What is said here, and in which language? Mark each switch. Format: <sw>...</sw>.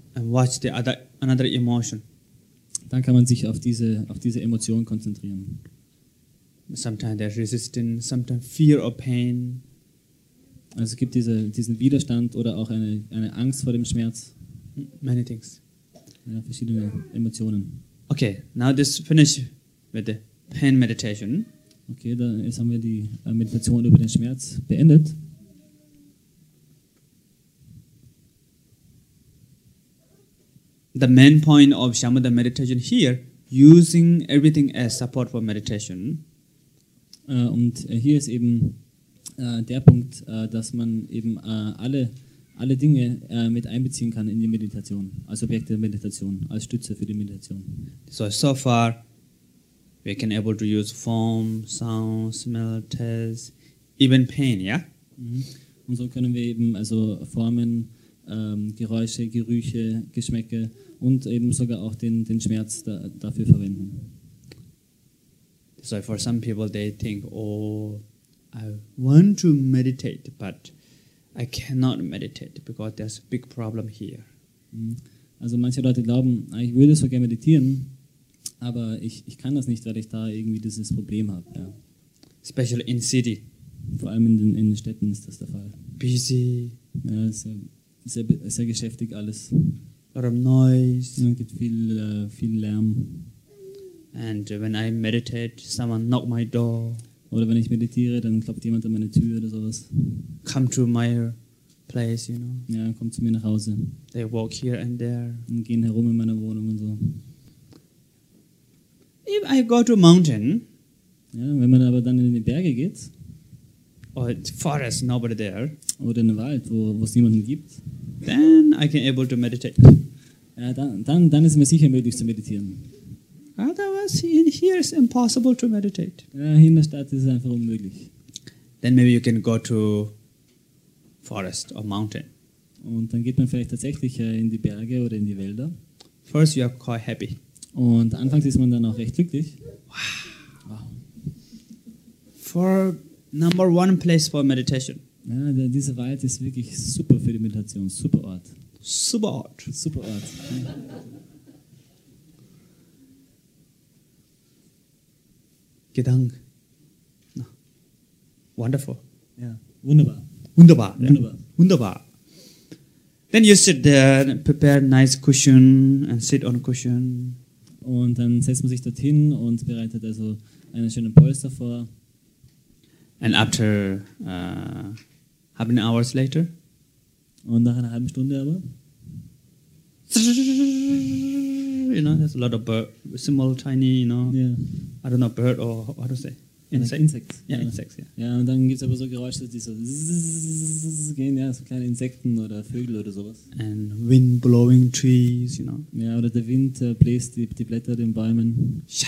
<en>And watch the other, another emotion.</en> <de>Dann kann man sich auf diese Emotion konzentrieren.</de> <en>Sometimes there's resistance, sometimes fear or pain.</en> <de>Also es gibt diesen Widerstand oder auch eine Angst vor dem Schmerz.</de> <en>Many things.</en> <de>Ja, verschiedene Emotionen.</de> <en>Okay, now this finish with the pain meditation.</en> <de>Okay, dann jetzt haben wir die Meditation über den Schmerz beendet.</de> <en>The main point of Shamatha meditation here, using everything as support for meditation.</en> <de>Und hier ist eben der Punkt, dass man eben alle Dinge mit einbeziehen kann in die Meditation, als Objekt der Meditation, als Stütze für die Meditation.</de> <en>So far, we can able to use form, sound, smell, taste, even pain, yeah?</en> <de>Und so können wir eben also Formen, Geräusche, Gerüche, Geschmäcke und eben sogar auch den Schmerz dafür verwenden.</de> <en>So for some people they think, oh, I want to meditate, but I cannot meditate because there's a big problem here.</en> <de>Also manche Leute glauben, ich würde so gerne meditieren, aber ich kann das nicht, weil ich da irgendwie dieses Problem habe. Ja.</de> <en>Especially in city.</en> <de>Vor allem in den Städten ist das der Fall.</de> <en>Busy.</en> <de>Ja, sehr, sehr, sehr geschäftig alles.</de> <en>A lot of noise.</en> <de>Ja, gibt viel Lärm.</de> <en>And when I meditate, someone knock my door.</en> <de>Oder wenn ich meditiere, dann klopft jemand an meine Tür oder sowas.</de> <en>Come to my place, you know.</en> <de>Ja, komm zu mir nach Hause.</de> <en>They walk here and there.</en> <de>Und gehen herum in meiner Wohnung und so.</de> <en>If I go to mountain.</en> <de>Ja, wenn man aber dann in die Berge geht.</de> <en>Or forest, nobody there.</en> <de>Oder in den Wald, wo es niemanden gibt.</de> <en>Then I can able to meditate.</en> <de>Ja, dann ist mir sicher möglich zu meditieren.</de> <en>Otherwise, in here is impossible to meditate.</en> <de>Ja, hier in der Stadt ist es einfach unmöglich.</de> <en>Then maybe you can go to forest or mountain.</en> <de>Und dann geht man vielleicht tatsächlich in die Berge oder in die Wälder.</de> <en>First you are quite happy.</en> <de>Und anfangs ist man dann auch recht glücklich.</de> <en>Wow. For number one place for meditation.</en> <de>Ja, dieser Wald ist wirklich super für die Meditation. Super Ort. Super Ort. Super Ort.</de> <en>Gedanke. No. Wonderful.</en> <de>Yeah. Wunderbar. Wunderbar. Wunderbar. Yeah. Wunderbar.</de> <en>Then you sit there, prepare nice cushion and sit on a cushion.</en> <de>Und dann setzt man sich dorthin und bereitet also einen schönen Polster vor.</de> <en>And after half an hour later.</en> <de>Und nach einer halben Stunde aber.</de> <en>You know, there's a lot of bird, small, tiny, you know. Yeah. I don't know, bird or how to say? Insects. Yeah, insects, yeah.</en> <de>Ja, und dann gibt's aber so Geräusche, die so zzzz gehen, ja, so kleine Insekten oder Vögel oder sowas.</de> <en>And wind blowing trees, you know.</en> <de>Ja, oder der Wind bläst die Blätter den Bäumen.</de>